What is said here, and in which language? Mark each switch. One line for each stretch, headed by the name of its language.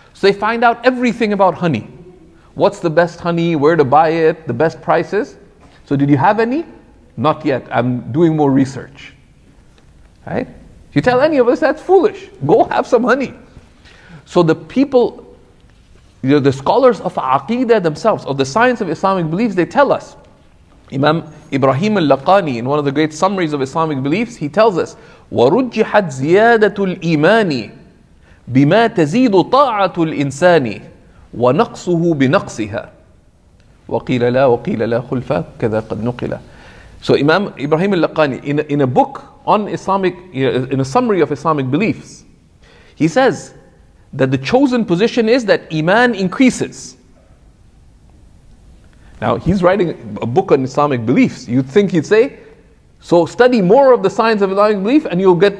English: So they find out everything about honey. What's the best honey, where to buy it, the best prices. So did you have any? Not yet, I'm doing more research. Right? You tell any of us, that's foolish. Go have some honey. So the people, you know, the scholars of Aqidah themselves, of the science of Islamic beliefs, they tell us. Imam Ibrahim al-Laqani, in one of the great summaries of Islamic beliefs, he tells us,
Arabic: وَرُجِّحَتْ زِيَادَةُ الْإِيمَانِ بِمَا تَزِيدُ طَاعَةُ الْإِنسَانِ وَنَقْصُهُ بِنَقْصِهَا وَقِيلَ لَا وَقِيلَ لَا خُلْفَ كَذَا قَدْ نُقِلَ.
English: So Imam Ibrahim al-Laqani, in a book on Islamic, in a summary of Islamic beliefs, he says that the chosen position is that Iman increases. Now, he's writing a book on Islamic beliefs. You'd think he'd say, so study more of the science of Islamic belief and you'll get...